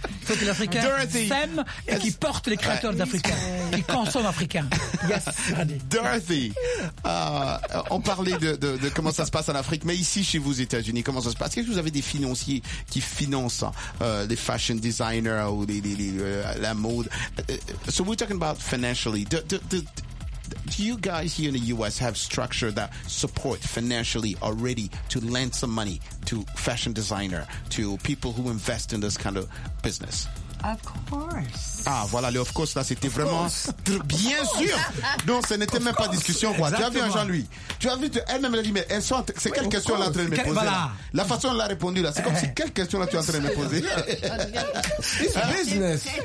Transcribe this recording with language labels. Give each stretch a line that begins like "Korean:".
French: Il faut que l'Africain s'aime et qu'il porte les créateurs d'Africains, qu'il consomme Africains.
English: Yes,
French: Dorothy, on parlait de comment ça se passe en Afrique, mais ici chez vous, États-Unis, comment ça se passe? Est-ce que vous avez des financiers qui financent les fashion designers ou la mode?
English: So we're talking about financially. Do you guys here in the U.S. have structure that support financially already to lend some money to fashion designer, to people who invest in this kind of business? Of course.
French: Ah, voilà, le
English: of course,
French: là, c'était vraiment... Bien sûr. Non, ce n'était même pas discussion, quoi. Exactement. Tu as vu un Jean-Louis. Tu as vu, elle-même, elle dit, mais elles sont... C'est quelle question là, en train de me poser, là. La façon dont elle a répondu, là, c'est comme si, quelle question là, tu es en train de me poser. C'est business.